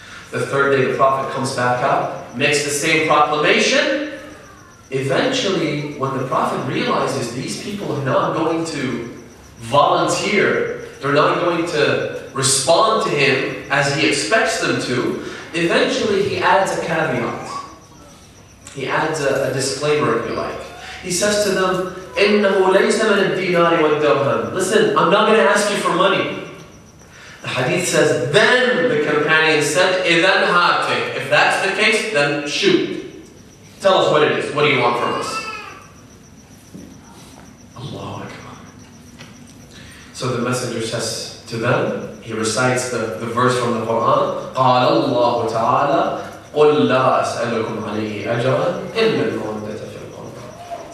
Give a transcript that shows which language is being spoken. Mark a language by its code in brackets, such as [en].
[en] The third day, the Prophet comes back out, makes the same proclamation. Eventually, when the Prophet realizes these people are not going to volunteer, they're not going to respond to him as he expects them to, eventually he adds a caveat. He adds a disclaimer, if you like. [ar] He says to them, إِنَّهُ لَيْسَ مَنَ الدِّينَارِ وَالدَّرْهَمِ. [en] Listen, I'm not going to ask you for money. The hadith says, then the companion said, [ar] إِذَنْ هَاتِكَ. [en] If that's the case, then shoot. Tell us what it is. What do you want from us? Allahu Akbar. So the messenger says to them, he recites the verse from the Quran, [ar] قَالَ اللَّهُ تَعَالَى قُلْ لَا أَسْأَلُكُمْ عَلَيْهِ أَجْرًا إِلَّا الْمَوَدَّةَ فِي الْقُرْبَى.